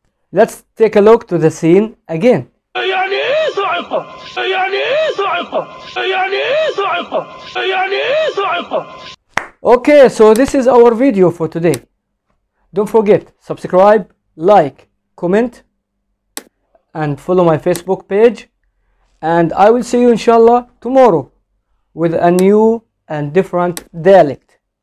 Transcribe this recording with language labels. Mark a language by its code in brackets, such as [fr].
[en] Let's take a look to the scene again. [ar] يعني إيه صاعقة؟ يعني إيه صاعقة؟ يعني إيه صاعقة؟ يعني إيه صاعقة؟ [en] Okay, so this is our video for today. Don't forget, subscribe, like, comment, and follow my Facebook page, and I will see you inshallah tomorrow with a new and different dialect.